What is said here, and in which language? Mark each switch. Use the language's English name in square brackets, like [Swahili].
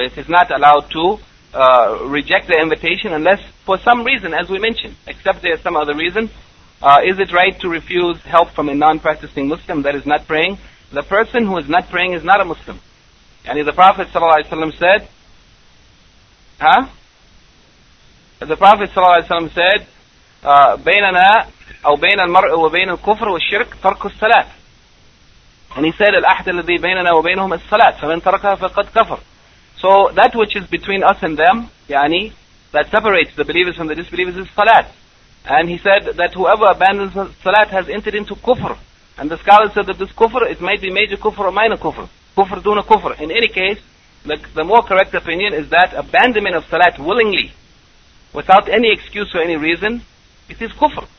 [English] It is not allowed to reject the invitation unless for some reason, as we mentioned, except there is some other reason. Is it right to refuse help from a non-practicing Muslim that is not praying? The person who is not praying is not a Muslim. And the Prophet ﷺ said, [Arabic] The Prophet ﷺ said, بَيْنَنَا أَوْ بَيْنَ الْمَرْءِ وَبَيْنَ الْكُفْرِ وَالشِّرْكِ تَرْكُ السَّلَاةِ. [English] And he said, [Arabic] الْأَحْدَ الَّذِي بَيْنَنَا وَبَيْنَهُمْ الصَّلَاةِ فَمَنْ تَرَكَهَا فَقَدْ كَفَرْ. [English] So that which is between us and them, yani, that separates the believers from the disbelievers is salat. And he said that whoever abandons salat has entered into kufr. And the scholars said that this kufr, it might be major kufr or minor kufr. Kufr duna kufr. In any case, the more correct opinion is that abandonment of salat willingly, without any excuse or any reason, it is kufr.